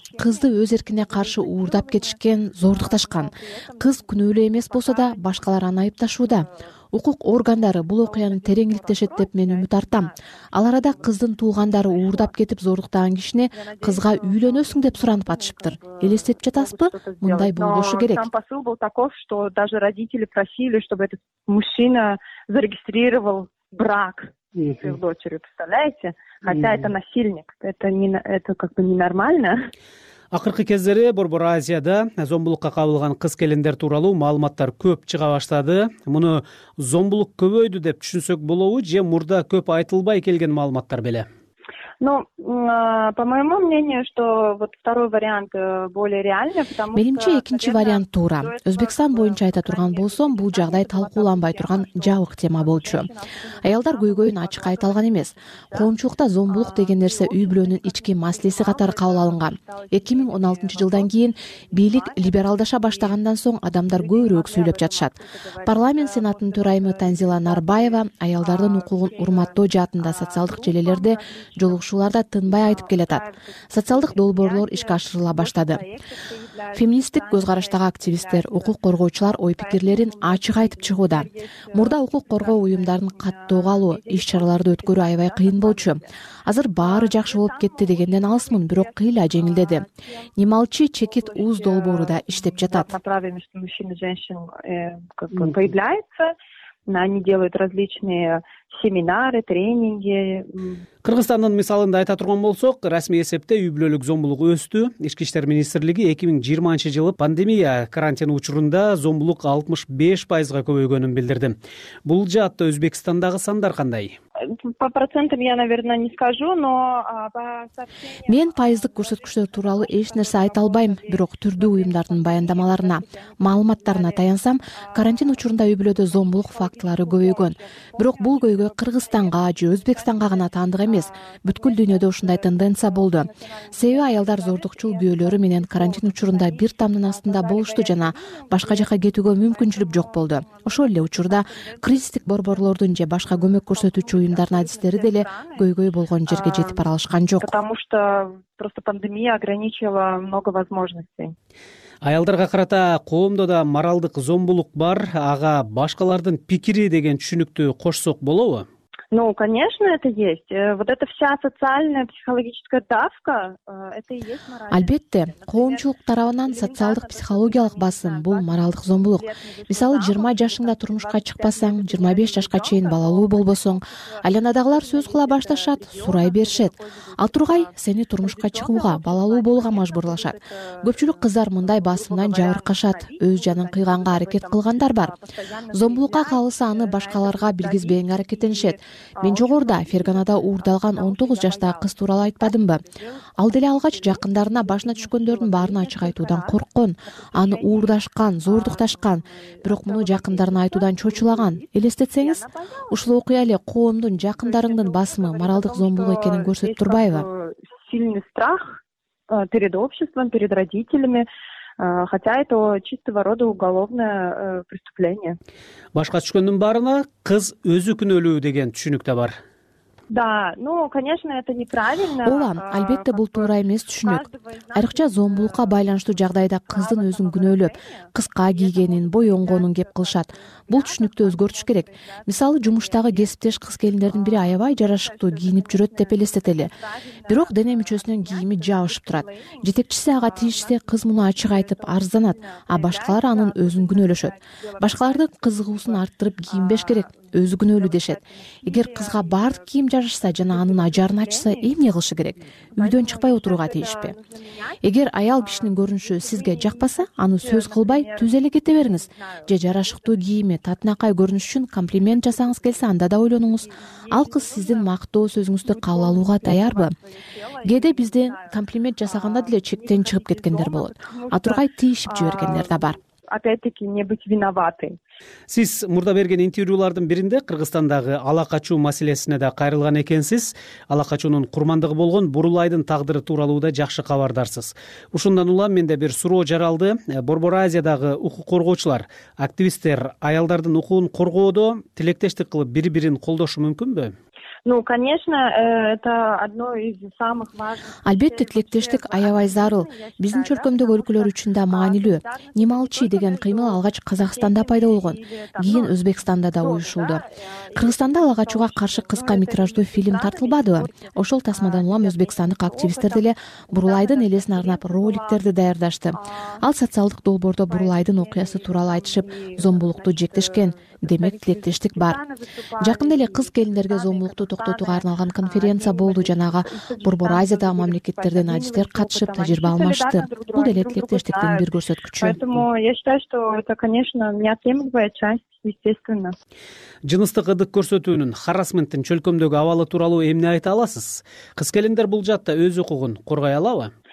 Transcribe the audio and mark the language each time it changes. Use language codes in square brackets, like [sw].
[ky] Кызды өз эркине каршы уурдап кетишкен, зордукташкан. Кыз күнөөлүү эмес болсо да, башкалар аны айыпташууда. Укук органдары бул окуяны тереңилтешет деп мен үмүт артам. Ал арада кыздын туугандары уурдап кетип зордуктаган кишине кызга үйлөнөсүң деп суранып атышыптыр. Элестетип жатасызбы? Мындай болушу керек. [ru] Там посыл был таков, что даже родители просили, чтобы этот мужчина зарегистрировал брак. Если в дочери, представляете? Хотя это насильник. Это как бы ненормально. [ky] Акыркы кездери Борбор Азияда зомбулукка кабылган кыз келиндер тууралуу маалыматтар көп чыга баштады. Муну зомбулук көбөйдү деп түшүнсөк болобу же мурда көп айтылбай келген маалыматтар беле? [ru] Ну, по моему мнению, что вот второй вариант более реальный, потому что [ky] менимче экинчи вариант туура. Өзбекстан боюнча айта турган болсом, бул жагдай талкууланбай турган жабык тема болчу. Аялдар көйгөйүн ачык айта алган эмес. Коомчулукта зомбулук деген нерсе үй бүлөнүн ички маселеси катары кабыл алынган. 2016 жылдан кийин бийлик либералдаша баштагандан соң адамдар көбүрөөк сүйлөп жатышат. Парламент сенатынын төрайымы Танзила Нарбаева аялдардын укугун урматтоо жаатында социалдык желелерде жолу шуларда тынбай айтып келатат. Социалдык долбоорлор ишке ашырыла баштады. Феминисттик көз караштагы активисттер, укук коргоочулар ой пикирлерин ачык айтып чыгууда. Мурда укук коргоо уюмдарын каттоого алуу, иш чараларды өткөрүү аябай кыйын болчу. Азыр баары жакшы болуп кетти дегенден алысмын, бирок кыйла жеңилдеди. Немалчи чекит ууз долбоору да иштеп жатат. [ru] Они делают различные семинары, тренинги. [ky] Кыргызстандын мисалында айта турган болсок, расмий эсепте үй бүлөлүк зомбулук өстү. Ички иштер министрлиги 2020 жылы пандемия карантини учурунда зомбулук 65% көбөйгөнүн билдирди. Бул жаатта Өзбекстандагы сандар кандай? [ru] По процентам я, наверное, не скажу, но [ky] мен пайыздык көрсөткүчтөр тууралуу эч нерсе айта албайм, бирок түрдүү уюмдардын баяндамаларына, маалыматтарына таянсам, карантин учурунда үй бүлөдө зомбулук фактылары көбөйгөн. Бирок бул көйгөй Кыргызстанга же Өзбекстанга гана таандык эмес, бүткүл дүйнөдө ушундай тенденция болду. Себеби аялдар зордукчул күйөөлөрү менен карантин учурунда бир тамдын астында болушту жана башка жака кетүүгө мүмкүнчүлүк жок болду. Ошол эле учурда кризистик борборлордун же башка көмөк көрсөтүүчү уюмдардын адистери деле көйгөй болгон жерге жетип аралашкан жок. [ru] Потому что просто пандемия ограничила много возможностей. [ky] Аялдарга карата коомдо да моралдык зомбулук бар, ага башкалардын пикири деген түшүнүктү кошсок болобу? [ru] Ну, конечно, это есть. Вот эта вся социальная психологическая давка, это и есть моральная. [ky] Албетте, коомчулук тарабынан социалдык психологиялык басым бул моралдык зомбулук. Мисалы, 20 жашыңда турмушка чыкпасаң, 25 жашка чейин балалуу болбосоң, айланадагылар сөз кыла башташат, сурай беришет. Ал тургай сени турмушка чыгууга, балалуу болууга мажбурлашат. Көпчүлүк кыздар мындай басымдан жабыркашат, өз жанын кыйганга аракет кылгандар бар. Зомбулукка калса аны башкаларга билгизбеген аракетинишет. Мен жогоруда Ферганада уурдалган 19 жаштагы кыз тууралуу айтпадымбы? Ал деле алгач жакындарына башына түшкөндөрдүн баарын ачык айтуудан корккон, аны уурдашкан, зордукташкан, бирок муну жакындарына айтуудан чочулаган. Элестетсеңиз, ушул окуя эле коомдун жакындарыңдын басымы моралдык зомбулук экенин көрсөтүп турбайбы? [ru] Сильный страх перед обществом, перед родителями. Хотя это чистого рода уголовное преступление. [ky] Башка түшкөндүн баарына кыз өзү күнөлүү деген түшүнүк да бар. [ru] Да, ну, конечно, это неправильно. [ky] Ооба, албетте бул туура эмес түшүнүк. Айрыкча зомбулукка байланыштуу жагдайда кыздын өзүн күнөөлөп, кыска кийгенин, боёнгонун кеп кылышат. Бул түшүнүктү өзгөртүш керек. Мисалы, жумуштагы кесиптеш кыз-келиндердин бири аябай жарашыктуу кийинип жүрөт деп элестетели. Бирок дене мүчөсүнөн кийими жабышып турат. Жетекчиси ага тийишсе, кыз муну ачык айтып арызданат, а башкалар анын өзүн күнөөлөшөт. Башкалардын кызыгуусун арттырып кийинбеш керек. Өзү күнөөлүү дешет. Эгер кызга бардык кийим жарашса жана анын ажарын ачса, эмне кылышы керек? Үйдөн чыкпай отурууга тийишпи? Эгер аял кишинин көрүнүшү сизге жакпаса, аны сөз кылбай, түз эле кете бериңиз же жарашыктуу кийими, татынакай көрүнүш үчүн комплимент жасаңыз келсе, анда да ойлонуңуз. Ал кыз сиздин мактоо сөзүңүздү кабыл алууга даярбы? Кээде бизде комплимент жасаганда деле чектен чыгып кеткендер болот. Атургай тийишип жибергендер да бар. [ru] Опять-таки не быть виноватой. [ky] Сиз мурда берген интервьюлардын биринде Кыргызстандагы ала качуу маселесине да кайрылган экенсиз. Ала качуунун курмандыгы болгон Бурулайдын тагдыры тууралуу да жакшы кабардарсыз. Ушундан улам менде бир суроо жаралды. Борбор Азиядагы укук коргоочулар, активисттер аялдардын укугун коргоодо тилектештик кылып бири бирин колдошу мүмкүнбү? [ru] Ну, конечно, это одно из самых важных. [ky] Албетте, тилектештик аябай зарыл. Биздин чөлкөмдөгү өлкөлөр үчүн да маанилүү. Немалчи деген кыймыл алгач Казакстанда пайда болгон, кийин Өзбекстанда да уюшулду. Кыргызстанда ала качууга каршы кыска метраждуу фильм тартылбадыбы? Ошол тасмадан улам өзбекстандык активисттер деле Бурулайдын элесин арнап роликтерди даярдашты. Ал социалдык долбоордо Бурулайдын окуясы тууралуу айтышып, зомбулукту жектешкен. Демек, тилектештик бар. Жакында эле кыз келиндерге зомбулукту токтотууга арналган конференция болду жана ага Борбор Азиядагы мамлекеттерден адистер катышып, тажрыйба алмашты. Бул деле тилектештиктин бир көрсөткүчү. [ru] Поэтому я считаю, что это, конечно, неотъемлемая часть, естественно. [ky] Жыныстык ыдык көрсөтүүнүн, харассменттин чөлкөмдөгү абалы тууралуу эмне айта аласыз? Кыз келиндер бул жаатта өз укугун коргой алабы?